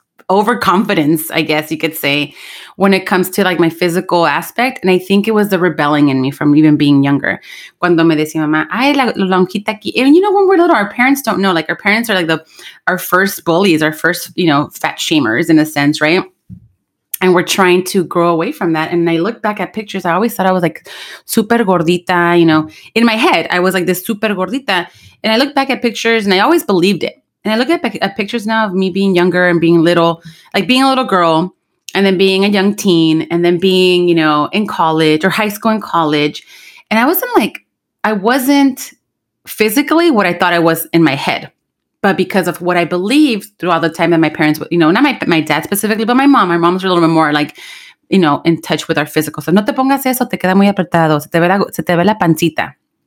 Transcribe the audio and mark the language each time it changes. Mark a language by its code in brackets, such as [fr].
[en] overconfidence, I guess you could say, when it comes to like my physical aspect. And I think it was the rebelling in me from even being younger. [es] Cuando me decía mamá, ay, la lonjita aquí. [en] And you know, when we're little, our parents don't know. Like our parents are like our first bullies, our first, you know, fat shamers in a sense, right? And we're trying to grow away from that. And I look back at pictures. I always thought I was like super gordita, you know, in my head. I was like this super gordita. And I look back at pictures and I always believed it. And I look at pictures now of me being younger and being little, like being a little girl and then being a young teen and then being, you know, in college or high school and college. And I wasn't physically what I thought I was in my head. But because of what I believed through all the time that my parents, you know, not my dad specifically, but my mom's a little bit more like, you know, in touch with our physical. [es] So, no te pongas eso, te queda muy apretado, se te ve la pancita.